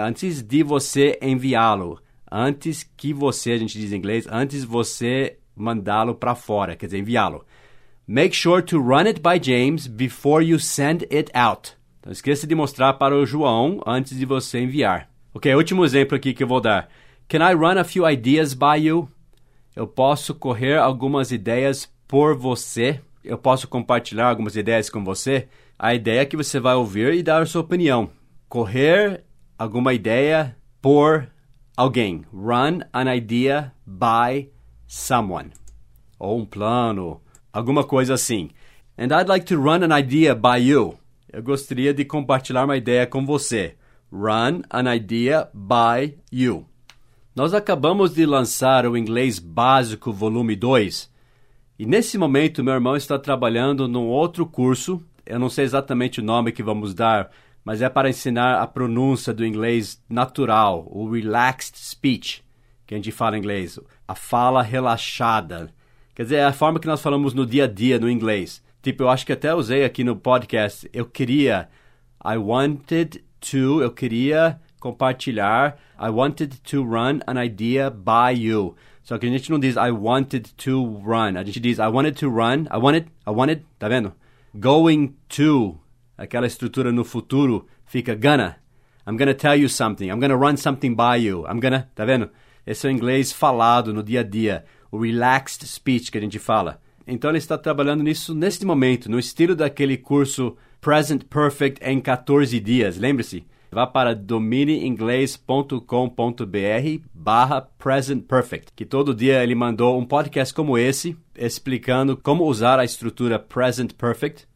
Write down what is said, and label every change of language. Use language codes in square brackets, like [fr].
[pt] Antes de você enviá-lo, antes que você, a gente diz em inglês, antes você mandá-lo para fora, quer dizer, enviá-lo. [en] Make sure to run it by James before you send it out. [pt] Não esqueça de mostrar para o João antes de você enviar. Ok, último exemplo aqui que eu vou dar. [en] Can I run a few ideas by you? [pt] Eu posso correr algumas ideias por você? Eu posso compartilhar algumas ideias com você? A ideia é que você vai ouvir e dar a sua opinião. Correr alguma ideia por alguém. [en] Run an idea by someone. [pt] Ou um plano. Alguma coisa assim. [en] And I'd like to run an idea by you. [pt] Eu gostaria de compartilhar uma ideia com você. [en] Run an idea by you. [pt] Nós acabamos de lançar o Inglês Básico Volume 2. E nesse momento, meu irmão está trabalhando num outro curso. Eu não sei exatamente o nome que vamos dar, mas é para ensinar a pronúncia do inglês natural, o relaxed speech, que a gente fala em inglês. A fala relaxada. Quer dizer, é a forma que nós falamos no dia a dia no inglês. Tipo, eu acho que até usei aqui no podcast, eu queria [en] I wanted to, [pt] eu queria compartilhar, [en] I wanted to run an idea by you. [pt] Só que a gente não diz [en] I wanted to run. [pt] A gente diz [en] I wanted to run, I wanted, [pt] tá vendo? [en] Going to, [pt] aquela estrutura no futuro, fica gonna. [en] I'm gonna tell you something, I'm gonna run something by you, I'm gonna, [pt] tá vendo? Esse é o inglês falado no dia a dia, o relaxed speech que a gente fala. Então ele está trabalhando nisso neste momento, no estilo daquele curso Present Perfect em 14 dias, lembre-se. Vá para domineinglês.com.br/presentperfect, que todo dia ele mandou um podcast como esse, explicando como usar a estrutura Present Perfect.